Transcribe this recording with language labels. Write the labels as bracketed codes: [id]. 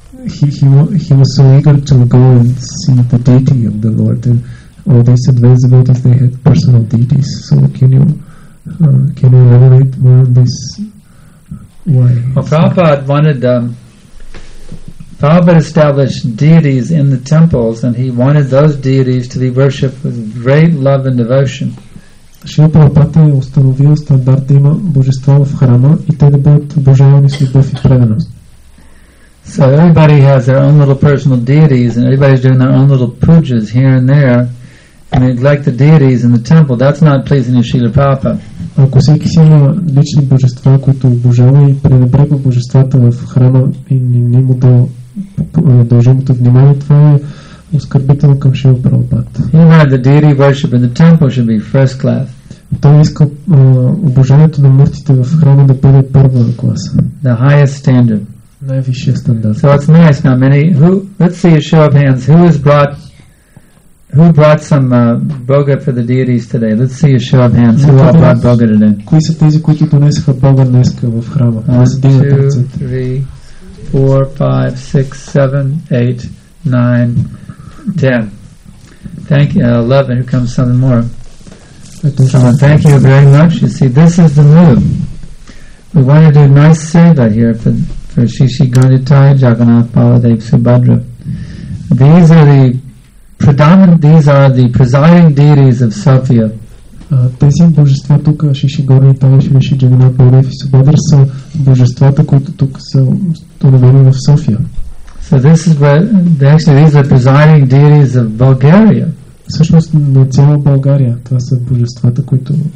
[en] he was so eager to go and see the deity of the Lord and all these advanced devotees they had personal deities. So can you elaborate more on this? Why? Well, Prabhupada wanted Prabhupada established deities in the temples and he wanted those deities to be worshipped with great love and devotion. [bg] Шрила Прабхупада е установил стандарт да има божества в храма и те да бъдат обожавани с любов и преданост. [en] So everybody has their own little personal deities and everybody's doing their own little pujas here and there and neglect the deities in the temple. That's not pleasing to Шрила Прабхупада. [bg] Ако всеки си има лични божества, които обожава и пренебрегва божествата в храма и не му дължимото внимание, това е оскърбително към Шрила Прабхупада. Той иска обожанието на мъртвите в храма да бъде първа класа. [en] The highest standard. [bg] Най-висшия стандарт. [en] So it's nice now, many, let's see a show of hands. Who brought some boga for the deities today? Let's see a show of hands. Who all brought boga today? [bg] Кои са тези, които донесаха бога днес в храма? [en] 1, 2, 3, 4, 5, 6, 7, 8, 9, 10. Thank you. 11, here comes something more. Someone, thank you very much. You see, this is the move. We want to do a nice seva here for Shishi Ganitai, Jagannath, Baladev, Subhadra. These are the presiding deities of Sofia. [bg] Тези божества тук, Шишигора и Тайшвиши, Джагнат, Бодев и Субадър, са божествата, които тук са установени в София. [en] So this is where, actually these are presiding deities of Bulgaria. [bg] Всъщност на цяла България, това са божествата, които...